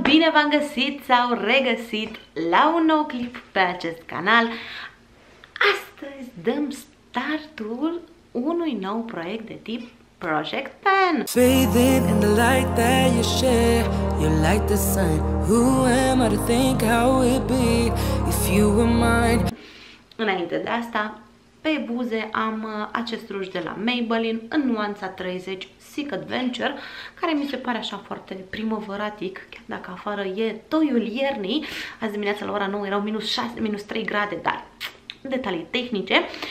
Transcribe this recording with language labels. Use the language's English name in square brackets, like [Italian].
[Romanian] Bine v-am găsit sau regăsit la un nou clip pe acest canal. Astăzi dăm startul unui nou proiect de tip Project Pen. [English] Fading in the light that you share, you like the sun. Who am I to think how it be if you were mine? [Romanian] Înainte de asta, pe buze am acest ruj de la Maybelline în nuanța 30 Sick Adventure, care mi se pare așa foarte primăveratic, chiar dacă afară e toiul iernii. Azi dimineața la ora 9 erau -6, -3 grade, dar detalii tehnice.